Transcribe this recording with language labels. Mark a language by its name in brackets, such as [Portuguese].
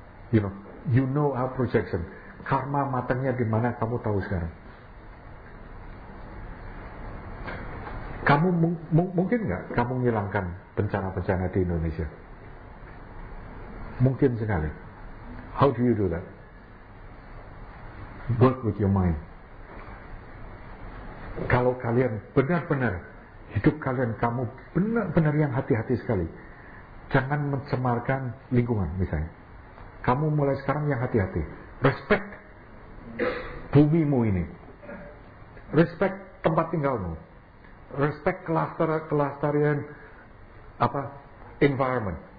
[English] You know our projection. [Indonesian] Karma matangnya di mana kamu tahu sekarang. Kamu mungkin enggak kamu menghilangkan bencana-bencana di Indonesia? Mungkin sekali. [English] How do you do that? Work with your mind. [Indonesian] kalau kalian benar-benar hidup kalian, kamu benar-benar yang hati-hati sekali, jangan mencemarkan lingkungan misalnya. Kamu mulai sekarang yang hati-hati, respect bumimu ini, respect tempat tinggalmu, respect kelestarian apa environment.